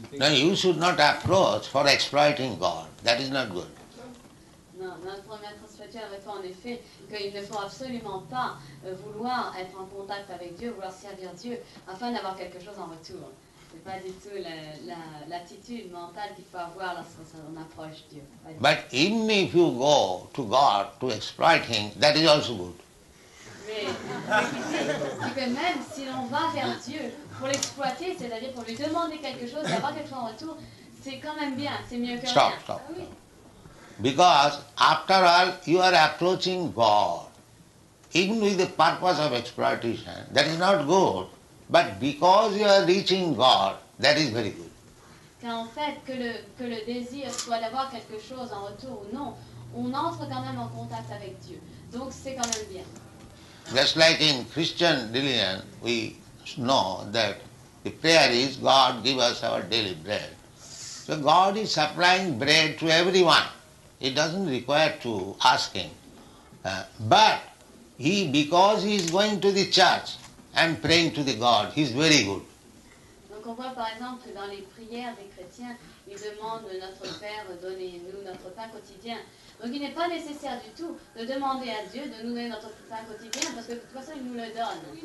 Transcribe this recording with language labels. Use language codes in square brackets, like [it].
[en] No, you should not approach for exploiting God. That is not good. [fr] No, notre première constatation avec toi en effet qu'il ne faut absolument pas vouloir être en contact avec Dieu, vouloir servir Dieu, afin d'avoir quelque chose en retour. C'est pas du tout l'attitude mentale qu'il faut avoir lorsqu'on approche Dieu. [en] But even if you go to God to exploit Him, that is also good. [fr] Mais que même si l'on va vers Dieu pour l'exploiter, c'est-à-dire pour lui demander quelque chose, d'avoir quelque chose en retour, c'est quand même bien, c'est mieux que rien. [en] Stop. [fr] Ah, oui. [en] Because after all, you are approaching God, even with the purpose of exploitation. That is not good. But because you are reaching God, that is very good. [fr] Car en fait, que le désir soit d'avoir quelque chose en retour ou non, on entre quand même en contact avec Dieu. Donc c'est quand même bien. [en] Just like in Christian religion, we know that the prayer is, God give us our daily bread. So God is supplying bread to everyone. It doesn't require to ask Him. But He, because He is going to the church and praying to the God, He is very good. [fr] Donc on voit par exemple que dans les prières des chrétiens, ils demandent notre Père, donnez-nous notre pain quotidien. Donc il n'est pas nécessaire du tout de demander à Dieu de nous donner notre pain quotidien, parce que de toute façon il nous le donne.